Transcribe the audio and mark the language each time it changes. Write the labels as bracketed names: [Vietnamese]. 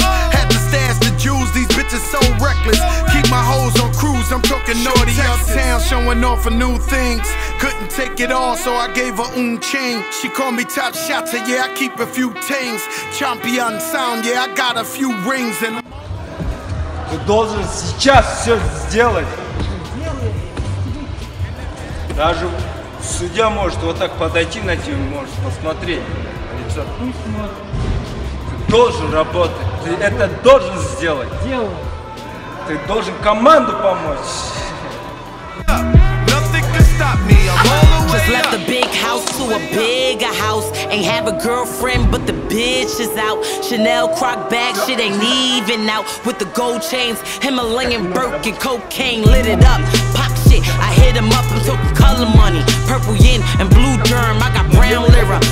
[English] Had to stash the jewels, these bitches so reckless. Keep my hoes on cruise, I'm talking naughty uptown, showing off for new things. Couldn't take it all, so I gave her un ching. She called me top shot, so yeah, I keep a few tings. Champion sound, yeah, I got a few rings and. [Russian] Ты должен сейчас все сделать. Даже судья может вот так подойти на тебя, может посмотреть. Ты должен работать, ты это должен сделать. Делаю. Ты должен команду помочь. [English] stop me. I'm all the way. Just left a big house to a bigger house. Ain't have a girlfriend, but the bitch is out. Chanel Croc bag, shit ain't even out. With the gold chains, Himalayan Birkin, cocaine lit it up. Pop shit, I hit him up, I'm talking color money. Purple yin and blue germ, I got brown lira.